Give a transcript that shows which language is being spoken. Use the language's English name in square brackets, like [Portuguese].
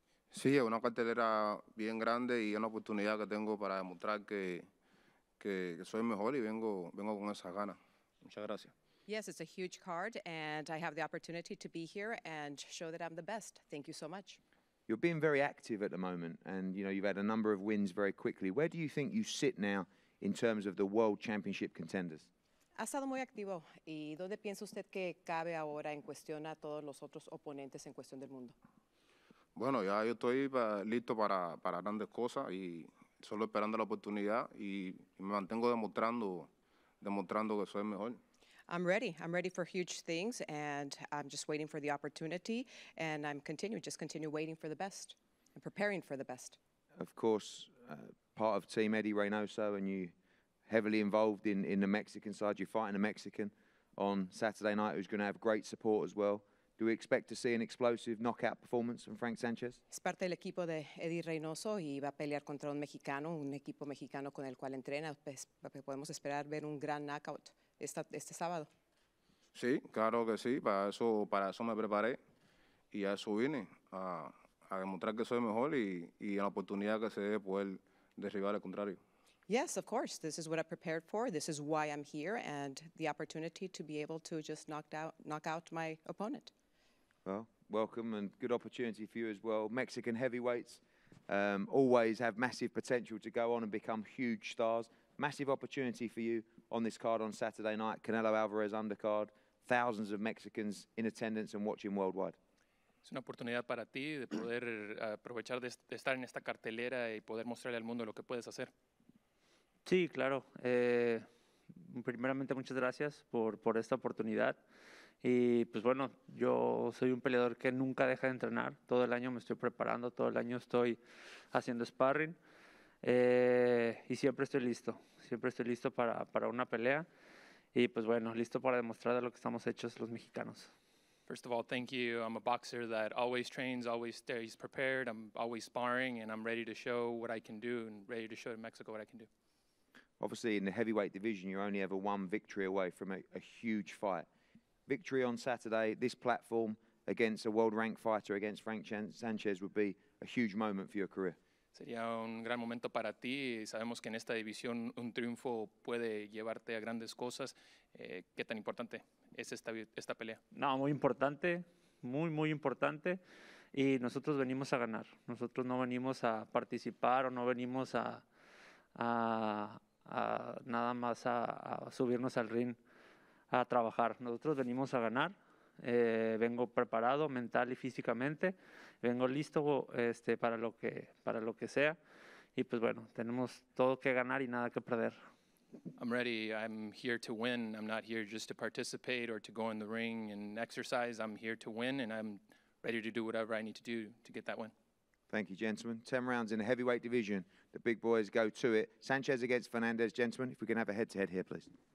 [Spanish] Sí, es una cartelera bien grande y una oportunidad que tengo para demostrar que soy mejor y vengo con esas ganas. Muchas gracias. [English] Yes, it's a huge card, and I have the opportunity to be here and show that I'm the best. Thank you so much. You're being very active at the moment, and you know you've had a number of wins very quickly. Where do you think you sit now in terms of the world championship contenders? [Spanish] Ha estado muy activo, y dónde piensa usted que cabe ahora en cuestión a todos los otros oponentes en cuestión del mundo? Bueno, ya yo estoy listo para grandes cosas y solo esperando la oportunidad y me mantengo demostrando que soy mejor. [English] I'm ready. I'm ready for huge things, and I'm just waiting for the opportunity, and I'm continue waiting for the best and preparing for the best. Of course, part of Team Eddie Reynoso, and you heavily involved in the Mexican side. You're fighting a Mexican on Saturday night who's going to have great support as well. Do we expect to see an explosive knockout performance from Frank Sanchez? [Spanish] Es parte del equipo de Eddie Reynoso y va a pelear contra un equipo mexicano con el cual entrena. Podemos esperar ver un gran knockout este sábado. Sí, claro que sí. Para eso me preparé y a eso vine a demostrar que soy mejor y la oportunidad que se dé poder derribar al contrario. [English] Yes, of course. This is what I prepared for. This is why I'm here, and the opportunity to be able to just knock out my opponent. Well, welcome and good opportunity for you as well. Mexican heavyweights always have massive potential to go on and become huge stars. Massive opportunity for you on this card on Saturday night. Canelo Alvarez undercard. Thousands of Mexicans in attendance and watching worldwide. [Spanish] Es una oportunidad para ti de poder aprovechar de estar en esta cartelera y poder mostrarle al mundo lo que puedes hacer. Sí, claro. Primeramente, muchas gracias por esta oportunidad. Y pues bueno, yo soy un peleador que nunca deja de entrenar. Todo el año me estoy preparando, todo el año estoy haciendo sparring. Y siempre estoy listo para una pelea. Y pues bueno, listo para demostrar de lo que estamos hechos los mexicanos. [English] First of all, thank you. I'm a boxer that always trains, always stays prepared. I'm always sparring and I'm ready to show what I can do and ready to show to Mexico what I can do. Obviously, in the heavyweight division, you're only ever one victory away from a huge fight. Victory on Saturday, this platform against a world-ranked fighter, against Frank Sanchez, would be a huge moment for your career. [Spanish] Sería un gran momento para ti. Sabemos que en esta división un triunfo puede llevarte a grandes cosas. ¿Qué tan importante es esta pelea? No, muy importante, muy, muy importante. Y nosotros venimos a ganar. Nosotros no venimos a participar o no venimos a nada más a subirnos al ring a trabajar. Nosotros venimos a ganar, vengo preparado mental y físicamente, vengo listo para lo que sea, y pues bueno, tenemos todo que ganar y nada que perder. [English] I'm ready. I'm here to win. I'm not here just to participate or to go in the ring and exercise. I'm here to win, and I'm ready to do whatever I need to do to get that win. Thank you, gentlemen. 10 rounds in the heavyweight division. The big boys go to it. Sanchez against Fernandez, gentlemen. If we can have a head-to-head here, please.